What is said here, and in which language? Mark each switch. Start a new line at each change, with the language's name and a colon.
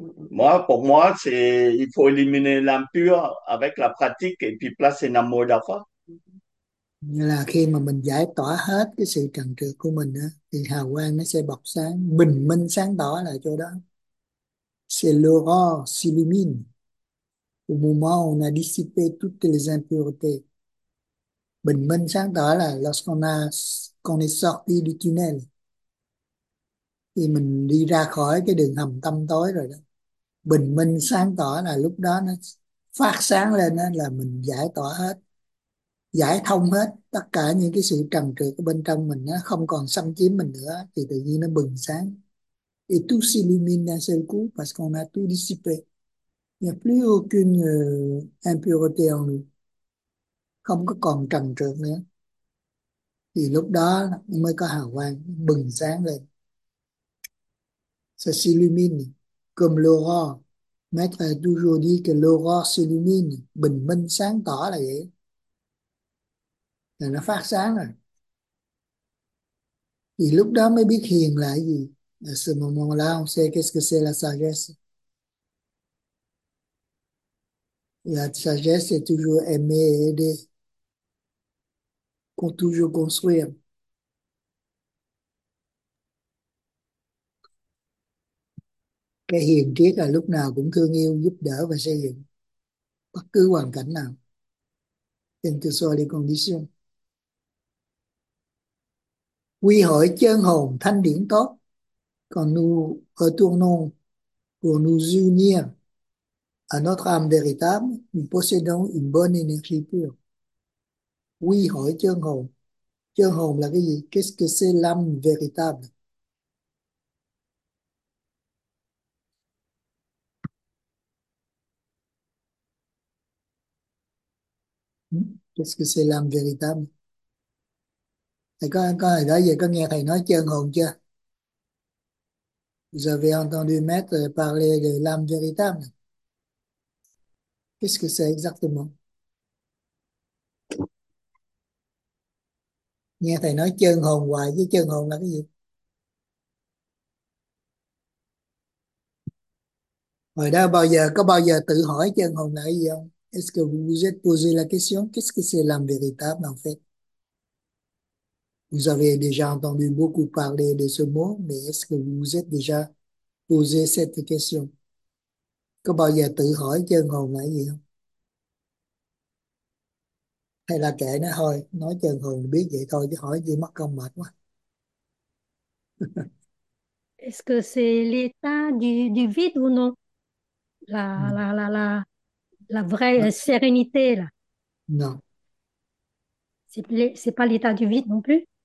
French: Moi, pour moi, c'est il faut éliminer l'impur avec la pratique et puis placer Nam Mô Đà Phật.
Vietnamese: Như là khi mà mình giải tỏa hết cái sự trần trược của mình á, thì hào quang nó sẽ bộc sáng, bình minh sáng tỏ lại chỗ đó.
French: C'est l'aurore s'illumine au moment où on a dissipé toutes les impuretés.
Vietnamese: Bình minh sáng tỏ là
French: lorsqu'on est sorti du tunnel.
Vietnamese: Thì mình đi ra khỏi cái đường hầm tăm tối rồi đó. Bình minh sáng tỏ là lúc đó nó phát sáng lên đó, là mình giải tỏa hết, giải thông hết tất cả những cái sự trần trược ở bên trong mình, nó không còn xâm chiếm mình nữa, thì tự nhiên nó bừng sáng.
French: Et tout s'illumine d'un seul coup parce qu'on a tout dissipé. Il n'y a plus aucune impureté en nous.
Vietnamese: Không có còn trần trược nữa. Thì lúc đó mới có hào quang bừng sáng lên.
French: Ça s'illumine comme l'aurore. Maître a toujours dit que l'aurore s'illumine.
Vietnamese: Bình minh sáng tỏ là vậy. Là nó phát sáng rồi. Thì lúc đó mới biết hiền là cái gì.
French: À, ce moment-là, on sait qu'est-ce que c'est la sagesse. La sagesse est toujours aimer et aider. Qu'on toujours construire.
Vietnamese: Cái hiền triết là lúc nào cũng thương yêu, giúp đỡ và xây dựng. Bất cứ hoàn cảnh nào. In tu so di condition. Quy hội chân hồn thanh điển tốt.
French: Quand nous retournons pour nous unir à notre âme véritable, nous possédons une bonne énergie pure.
Vietnamese: Quy hội chân hồn. Chân hồn là cái gì?
French: Qu'est-ce que c'est l'âme véritable? Qu'est-ce que c'est l'âme véritable?
Vietnamese: Thầy có đó giờ có nghe thầy nói chân hồn chưa?
French: Vous avez entendu maître parler de l'âme véritable. Qu'est-ce que c'est exactement?
Vietnamese: Nghe thầy nói chân hồn hoài, với chân hồn là cái gì? Hồi đó có bao giờ tự hỏi chân hồn là cái gì không?
French: Est-ce que vous vous êtes posé la question? Qu'est-ce que c'est l'âme véritable en fait? Vous avez déjà entendu beaucoup parler de ce mot, mais est-ce que vous vous êtes déjà posé cette question?
Vietnamese: Có bao giờ tự hỏi chân hồn là gì không? Hay là kệ nó thôi, nói chân hồn biết vậy thôi chứ hỏi gì mất công mệt quá.
French: Est-ce que c'est l'état du vide ou non? Non. La vraie sérénité là. Non. C'est pas l'état du vide non plus?